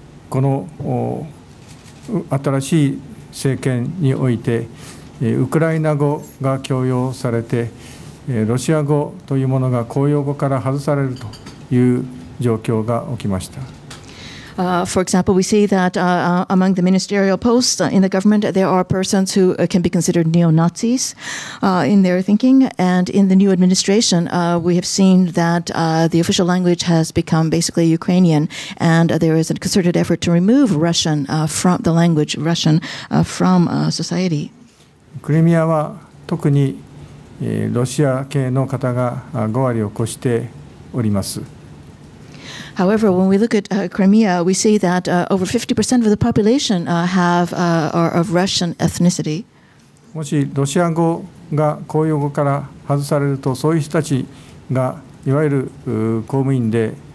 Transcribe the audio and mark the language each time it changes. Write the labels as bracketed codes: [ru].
[ja] この新しい政権においてウクライナ語が強要されて、ロシア語というものが公用語から外されるという状況が起きました。 [en] For example, we see that among the ministerial posts in the government, there are persons who can be considered neo-Nazis in their thinking. And in the new administration, we have seen that the official language has become basically Ukrainian, and there is a concerted effort to remove Russian from the language Russian from society. [ja] Crimea は特にロシア系の方が5割を超しております。 [en] However, when we look at Crimea, we see that over 50% of the population are of Russian ethnicity. [ja] もしロシア語が公用語から外されると、そういう人たちがいわゆる公務員で、